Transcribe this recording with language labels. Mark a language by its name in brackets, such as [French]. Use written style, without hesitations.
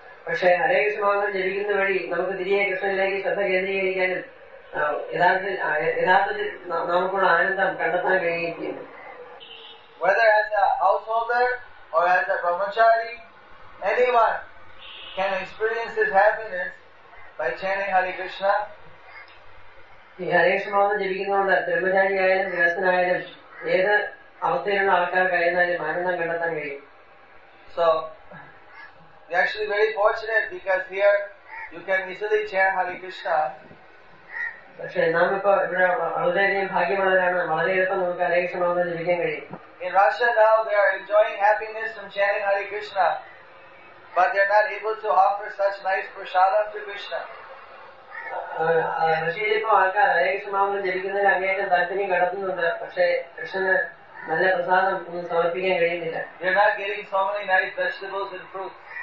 [Malayalam] Pashe Hare Krishna mantram jepikkunna vazhi namukku thiriye Krishnayilekku shraddha kendrikarikkanum യഥാർത്ഥത്തിൽ നമുക്കുള്ള ആനന്ദം കണ്ടെത്താൻ കഴിയുകയും ചെയ്യുന്നു. [English] Whether as a householder or as a brahmachari, anyone can experience his happiness by chanting Hare Krishna. [Malayalam] ഈ ഹരികൃഷ്ണമാർഗം ജപിക്കുന്നതുകൊണ്ട് ബ്രഹ്മചാരിയായാലും ഗൃഹസ്ഥനായാലും ഏത് അവസ്ഥയിലുള്ള ആൾക്കാർക്കായിരുന്നാലും ആനന്ദം കണ്ടെത്താൻ കഴിയും. [English] So we are actually very fortunate because here you can easily chant Hare Krishna. [Malayalam] പക്ഷേ നാം ഇപ്പോ ഇവിടെ വളരെയധികം ഭാഗ്യമുള്ളവരാണ്. വളരെ എളുപ്പം നമുക്ക് ഹരികൃഷ്ണമാർഗം ജപിക്കാൻ കഴിയും. [English] In Russia now, they are enjoying happiness from chanting Hare Krishna, but they are not able to offer such nice prasadam to Krishna. They are not getting so many nice vegetables and fruits.